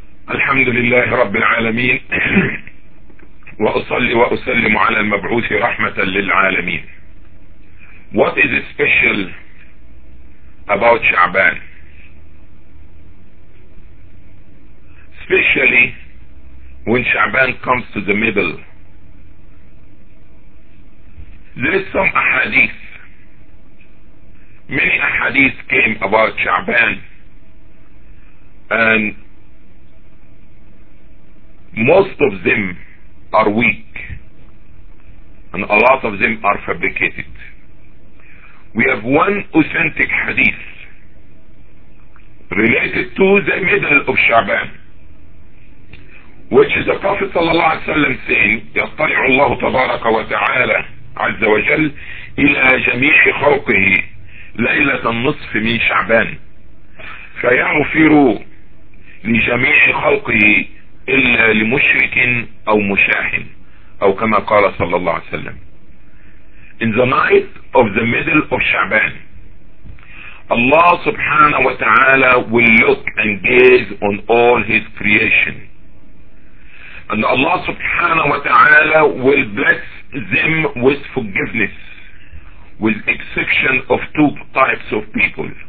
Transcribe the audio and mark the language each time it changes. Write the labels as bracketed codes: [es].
[ar] الحمد لله رب العالمين وأصلي وأسلم على المبعوث رحمة للعالمين. [en] What is special about Sha'ban? Especially when Sha'ban comes to the middle, there is some ahadith. Many ahadith came about Sha'ban, and most of them are weak, and a lot of them are fabricated. We have one authentic hadith related to the middle of Sha'ban, which is the Prophet sallallahu alaihi wasallam saying, [ar] يَطَّلِعُ اللَّهُ تَبَارَكَ وَتَعَالَى عَزَّ وَجَلْ إِلَى جَمِيعِ خَلْقِهِ لَيْلَةَ النِّصْفِ مِنْ شَعْبَانٍ فَيَغْفِرُ لِجَمِيعِ خَلْقِهِ إلا لمشرك أو مشاحن أو كما قال صلى الله عليه وسلم. [en] In the night of the middle of Sha'ban, Allah subhanahu wa ta'ala will look and gaze on all His creation, and Allah subhanahu wa ta'ala will bless them with forgiveness, with exception of two types of people.